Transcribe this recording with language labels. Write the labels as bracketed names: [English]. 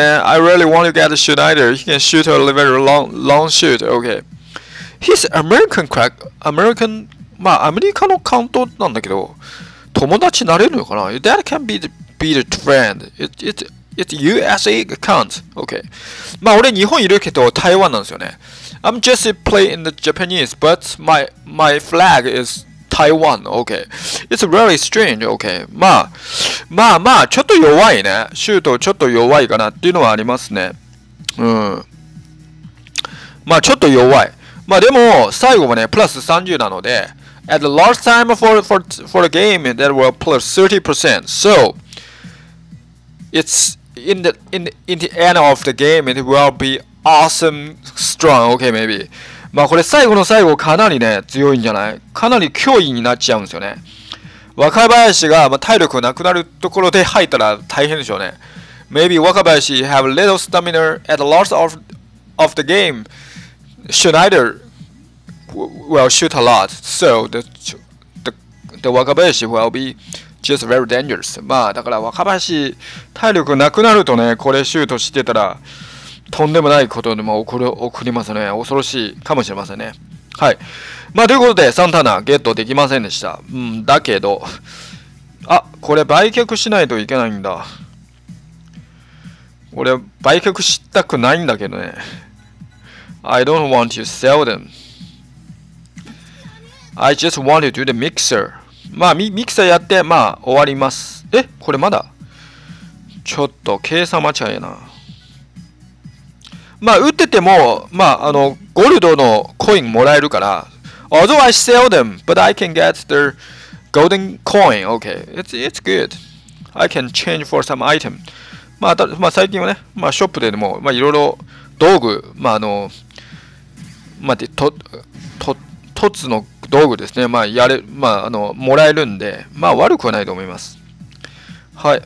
[English] I really want to get a Schneider. He can shoot a very long shoot. Okay. He's American crack. American. [Japanese] まあアメリカのカウントなんだけど、友達になれるのかな。 [English] That can be the friend. It's USA account. Okay. [Japanese] まあ俺日本いるけど台湾なんですよね。 [English] I'm just playing in the Japanese, but my flag is Taiwan. Okay. It's really strange. Okay. [Japanese] まあちょっと弱いね。シュートちょっと弱いかなっていうのはありますね。うん。まあちょっと弱い。まあでも最後はね、プラス30なので、 [English] at the last time for the game, that were plus 30%. So, it's in the end of the game, it will be awesome strong. Okay, maybe. [Japanese] まあこれ最後の最後かなりね強いんじゃない？かなり脅威になっちゃうんですよね。若林が、まあ、体力なくなるところで入ったら大変でしょうね。 [English] Maybe 若林 have little stamina at the loss of the game. Schneider will shoot a lot, so the 若林 will be just very dangerous。 [Japanese] まあだから若林体力なくなるとね、これシュートしてたらとんでもないことにも起こりますね。恐ろしいかもしれませんね。はい、まあということでサンターナゲットできませんでした。うん、だけど、あ、これ売却しないといけないんだ。俺売却したくないんだけどね。 [English] I don't want to sell them, I just want to do the mixer。 [Japanese] まあ、ミキサーやって、まあ、終わります。え？これまだ？ちょっと、計算間違いな。まあ、打ってても、まあ、ゴールドのコインもらえるから。 [English] Although I sell them, but I can get their golden coin. Okay. It's good. I can change for some item. [Japanese] まあ、最近はね、まあ、ショップでも、まあ、いろいろ道具、まあ、まあ、で、突の道具ですね。まあ、やれ、まあ、もらえるんで、まあ、悪くはないと思います。はい。